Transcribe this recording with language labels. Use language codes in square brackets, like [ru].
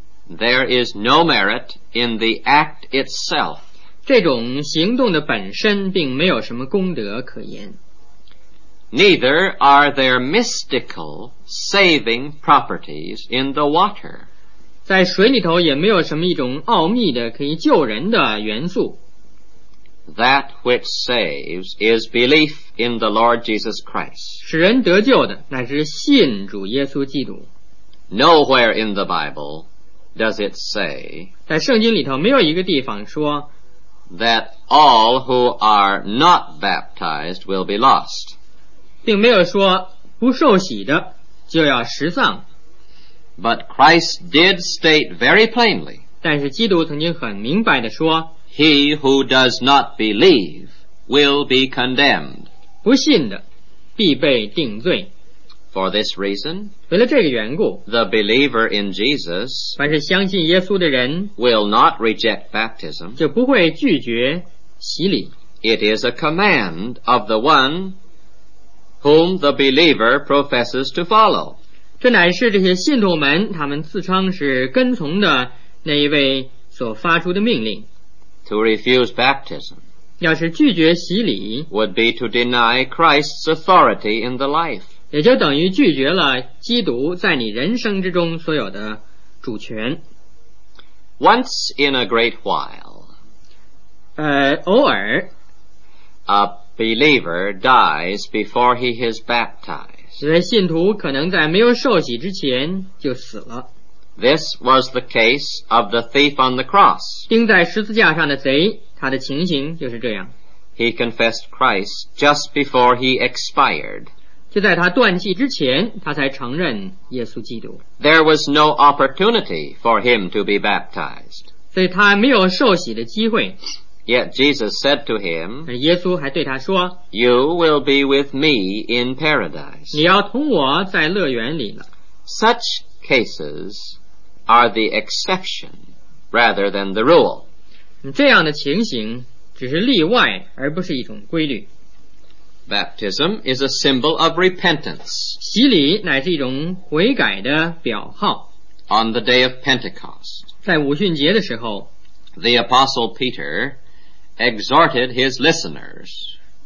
[en] There is no merit in the act itself, [zh] 这种行动的本身并没有什么功德可言。 [en] Neither are there mystical saving properties in the water. [zh] 在水里头也没有什么一种奥秘的可以救人的元素。 [en] That which saves is belief in the Lord Jesus Christ. [zh] 使人得救的乃是信主耶稣基督。 [en] Nowhere in the Bible does it say, [zh] 在圣经里头没有一个地方说， [en] that all who are not baptized will be lost. [zh] 并没有说不受洗的就要失丧。 [en] But Christ did state very plainly, [zh] 但是基督曾经很明白地说， [en] He who does not believe will be condemned, [zh] 不信的必被定罪。 [en] For this reason, [zh] 为了这个缘故， [en] The believer in Jesus, [zh] 凡是相信耶稣的人， [en] will not reject baptism, [zh] 就不会拒绝洗礼。 [en] It is a command of the oneWhom the believer professes to follow. [zh] 这乃是这些信徒们他们自称是跟从的那一位所发出的命令。 [en] To refuse baptism, [zh] 要是拒绝洗礼， [en] would be to deny Christ's authority in the life. [zh] 也就等于拒绝了基督在你人生之中所有的主权。 [en] Once in a great while, [zh] 偶尔 [en] a believer dies before he is baptized. [zh] 信徒可能在没有受洗之前就死了。 [en] This was the case of the thief on the cross. [zh] 钉在十字架上的贼，他的情形就是这样。 [en] He confessed Christ just before he expired. [zh] 却在他断气之前，他才承认耶稣基督。 [en] There was no opportunity for him to be baptized. [zh] 所以他没有受洗的机会。 [en] Yet Jesus said to him, [zh] 耶稣还对他说， [en] You will be with me in paradise. [zh] 你要同我在乐园里呢。 [en] Such cases are the exception rather than the rule. [zh] 这样的情形只是例外而不是一种规律。 [en] Baptism is a symbol of repentance. [zh] 洗礼乃是一种悔改的表号。 [en] On the day of Pentecost, [zh] 在五旬节的时候， [en] the apostle Peter exhorted his listeners,